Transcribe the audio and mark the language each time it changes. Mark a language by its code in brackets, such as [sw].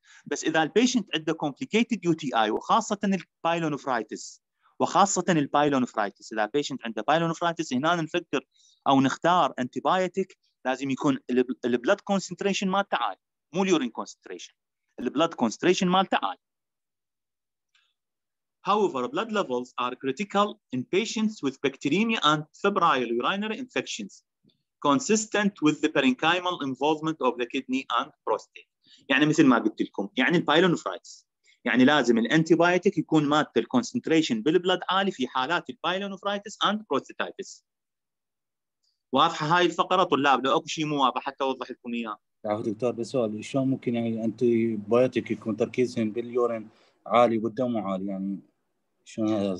[ar] بس اذا البيشنت عنده كومبليكيتد يو تي اي وخاصه البايلونفرايتس اذا البيشنت عنده بايلونفرايتس هنا نفكر او نختار انتيبايوتيك لازم يكون البلد كونستريشن مالته عالي، مو اليورين كونستريشن، البلد كونستريشن مالته عالي. [en] However, blood levels are critical in patients with bacteremia and febrile urinary infections, consistent with the parenchymal involvement of the kidney and prostate. [ar] يعني مثل ما قلت لكم، يعني البايلونفرايتس. يعني لازم الانتيبايوتيك يكون مالته الكونسنتريشن بالبلد عالي في حالات البايلونفرايتس [en] and prostatitis. [ar] واضحه هاي الفقره طلاب؟ لو اكو شيء مو واضح حتى اوضح لكم اياه. تعرف دكتور بسؤال شلون ممكن يعني الانتيبايوتيك يكون تركيزهم باليورين عالي والدم عالي يعني شلون